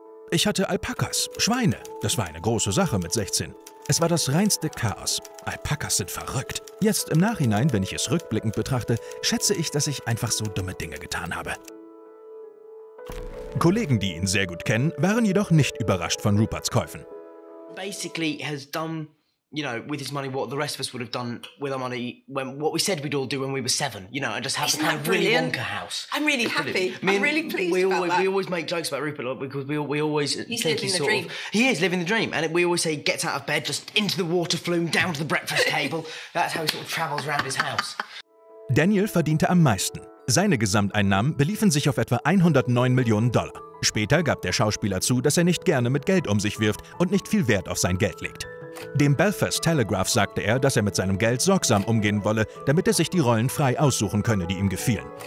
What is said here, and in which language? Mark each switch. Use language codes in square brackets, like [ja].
[de] Ich hatte Alpakas, Schweine, das war eine große Sache mit 16. Es war das reinste Chaos. Alpakas sind verrückt. Jetzt im Nachhinein, wenn ich es rückblickend betrachte, schätze ich, dass ich einfach so dumme Dinge getan habe. Kollegen, die ihn sehr gut kennen, waren jedoch nicht überrascht von Ruperts Käufen. [en] Basically has done, you know, with his money what the rest of us would have done with our money when what we said we'd all do when we were seven, you know, and just have a kind of really Wonka house. I'm really happy. I'm really pleased about that. We always make jokes about Rupert, like, because we always think he's sort of, he is living the dream, and we always say he gets out of bed, just into the water flume, down to the breakfast table. That's how he sort of travels around his house. [de] Daniel verdiente am meisten. Seine Gesamteinnahmen beliefen sich auf etwa 109 Millionen Dollar. Später gab der Schauspieler zu, dass er nicht gerne mit Geld um sich wirft und nicht viel Wert auf sein Geld legt. Dem Belfast Telegraph sagte er, dass er mit seinem Geld sorgsam umgehen wolle, damit er sich die Rollen frei aussuchen könne, die ihm gefielen.